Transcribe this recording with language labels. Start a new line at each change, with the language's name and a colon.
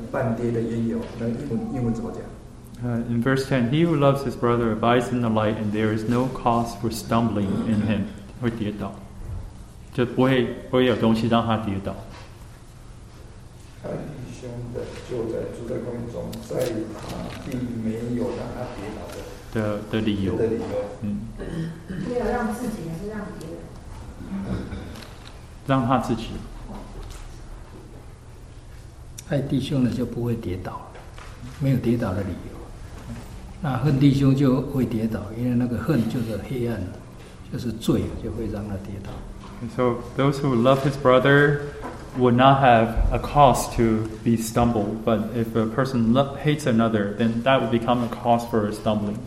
Chinese: 人都没有爱，人说自己在光明中却恨弟兄，他如今还是在黑暗里啊。然后第十节啊，爱弟兄的就是住在光明中啊，在他并没有半跌的缘由。那个半跌的缘由，那个英文怎么讲？
English: In verse 10, he who loves his brother abides in the light, and there is no cause for stumbling in him.
Chinese: 会跌倒，就不会有东西让他跌倒。爱弟兄的就在住在光中，在他并没有让他跌倒的理由。没有让自己，是让别人。让他自己。爱弟兄的就不会跌倒，没有跌倒的理由。那恨弟兄就会跌倒，因为那个恨就是黑暗，就是罪，就会让他跌倒。
English: And so those who love his brother would not have a cause to be stumbled. But if a person hates another, then that would become a cause for his stumbling.